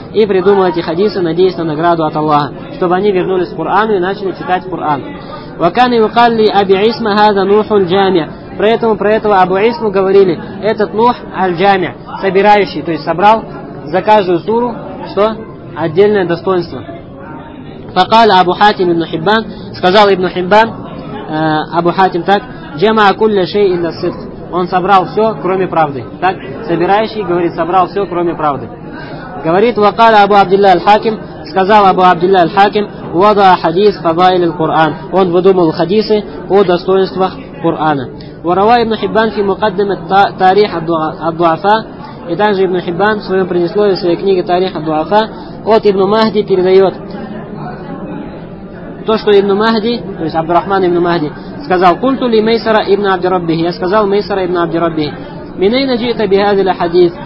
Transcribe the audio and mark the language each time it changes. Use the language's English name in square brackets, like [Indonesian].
[Russian] И придумал эти хадисы, надеясь на награду от Аллаха, чтобы они вернулись к Кур'ану и начали читать Кур'ан. [Arabic] «Вакан и вакалли Аби Исма хадан Нуху Аль-Джамия». [Russian] Про этого Абу Исму говорили, этот Нух Аль-Джамия, собирающий, то есть собрал за каждую суру, что? Отдельное достоинство. [Arabic] فقال أبو حاتم ابن حبان [Russian] сказал [Arabic] ابن حبان أبو حاتم [Russian] так [Arabic] جمع كل شيء إلا الصدق. [Russian] Он собрал все, кроме правды. Так, собирающий говорит, собрал все, кроме правды. Говорит, [Arabic] وقال أبو عبد الله الحاكم [Russian] сказал [Arabic] أبو عبد الله الحاكم وضع حديث فضائل القرآن. [Russian] Он выдумал хадисы о достоинствах Корана. [Arabic] وروى ابن حبان في مقدمة تاريخ الضعفاء. [Russian] И также ابن حبان в своем предисловии, в своей книге تاريخ الضعفاء, от ابن مهدي передает то, что ибн Махди, то есть Абдурахман ибн Махди, сказал, [Arabic] «Культу ли [Russian] Мейсара ибн Абдираббихи?» Я сказал, «Мейсара ибн Абдираббихи». [Arabic] «Минейна джита бихазиля хадис?»